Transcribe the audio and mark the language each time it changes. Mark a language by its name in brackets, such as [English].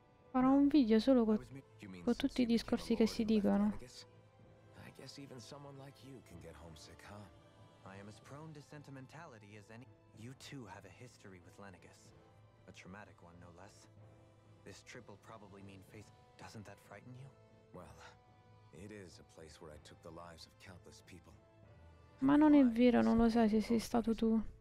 [Italian] Farò un video solo con tutti i discorsi che si dicono. [English] I guess even someone like you can get homesick, huh? I am as prone to sentimentality as any. You too have a history with Lenegas. A traumatic one, no less. This trip will probably mean face. Doesn't that frighten you? Well, it is a place where I took the lives of countless people. [Italian] Ma non è vero, non lo sai se sei stato tu.